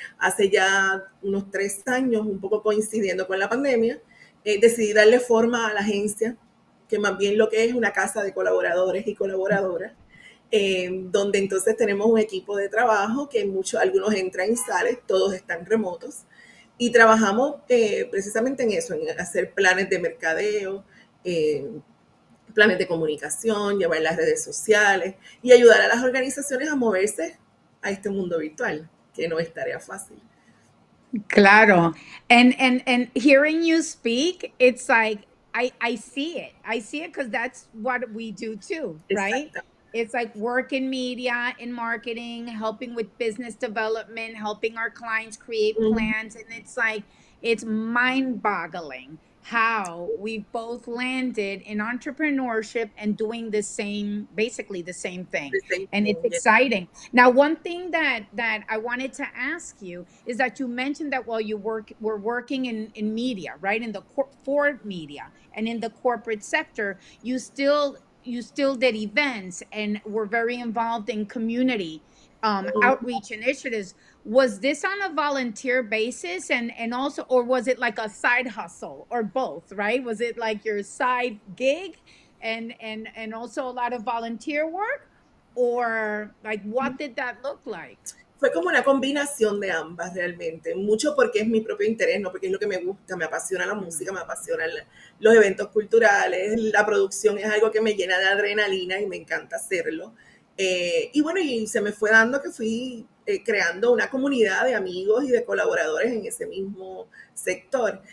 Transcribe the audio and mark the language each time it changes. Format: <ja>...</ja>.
<es>Hace ya unos 3 años, un poco coincidiendo con la pandemia, decidí darle forma a la agencia, que más bien lo que es una casa de colaboradores y colaboradoras, donde entonces tenemos un equipo de trabajo que muchos, algunos entran y salen, todos están remotos, y trabajamos precisamente en eso, en hacer planes de mercadeo, planes de comunicación, llevar las redes sociales y ayudar a las organizaciones a moverse a este mundo virtual, que no es tarea fácil. Claro.</es> <en>And hearing you speak, it's like, I see it. I see it because that's what we do too, right? It's like work in media, in marketing, helping with business development, helping our clients create plans. And it's like, it's mind-boggling how we both landed in entrepreneurship and doing the same, basically the same thing. And it's exciting. Now, one thing that I wanted to ask you is that you mentioned that while you were working in media, right, in the for media and in the corporate sector, you still did events and were very involved in community outreach initiatives. Was this on a volunteer basis and also, or was it like a side hustle or both, right? Was it like your side gig and also a lot of volunteer work, or like what did that look like?</en> <es>Fue como una combinación de ambas realmente, mucho porque es mi propio interés, no porque es lo que me gusta, me apasiona la música, me apasionan los eventos culturales, la producción es algo que me llena de adrenalina y me encanta hacerlo. Y bueno, y se me fue dando que fui creando una comunidad de amigos y de colaboradores en ese mismo sector.</es>